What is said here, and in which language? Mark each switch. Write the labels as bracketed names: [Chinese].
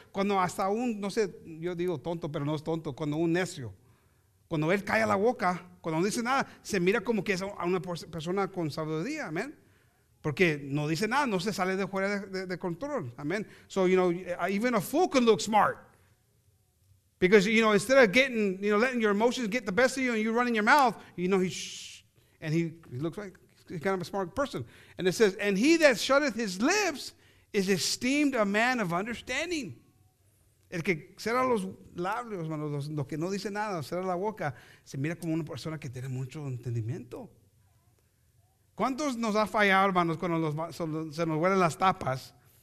[Spanish] Cuando hasta un, no sé, yo digo tonto, pero no es tonto, cuando un necio. Cuando él calla la boca, cuando no dice nada, se mira como que es a una persona con sabiduría, amén. Porque no dice nada, no se sale de fuera de control, amén. [English] So, you know, even a fool can look smart. Because, you know, instead of getting, you know, letting your emotions get the best of you and you running your mouth, you know, he looks like he's kind of a smart person. And it says, and he that shutteth his lips is esteemed a man of understanding. [Spanish] El que cierra los labios, hermano, lo que no dice nada, cierra la boca, se mira como una persona que tiene mucho entendimiento. ¿Cuántos nos ha fallado, hermanos, cuando se nos huelen las tapas?